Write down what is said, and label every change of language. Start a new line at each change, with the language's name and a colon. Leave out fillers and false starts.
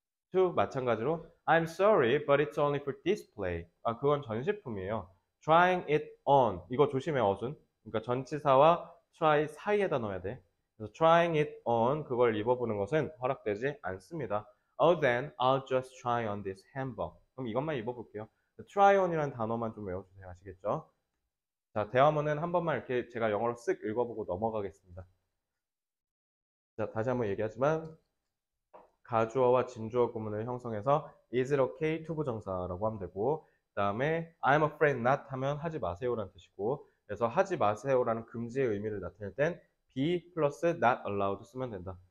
English: to 마찬가지로 I'm sorry, but it's only for display.
Korean: 아, 그건 전시품이에요.
English: Trying it on.
Korean: 이거 조심해, 어순. 그러니까 전치사와 try 사이에다 넣어야 돼. 그래서 trying it on, 그걸 입어보는 것은 허락되지 않습니다.
English: Oh, then I'll just try on this handbook.
Korean: 그럼 이것만 입어볼게요. Try on이라는 단어만 좀 외워주세요. 아시겠죠? 자, 대화문은 한 번만 이렇게 제가 영어로 쓱 읽어보고 넘어가겠습니다. 자, 다시 한번 얘기하지만, 가주어와 진주어 구문을 형성해서
English: is it okay to
Korean: 부정사라고 하면 되고, 그 다음에
English: I'm afraid not
Korean: 하면 하지 마세요라는 뜻이고, 그래서 하지 마세요라는 금지의 의미를 나타낼 땐 be 플러스 not allowed 쓰면 된다.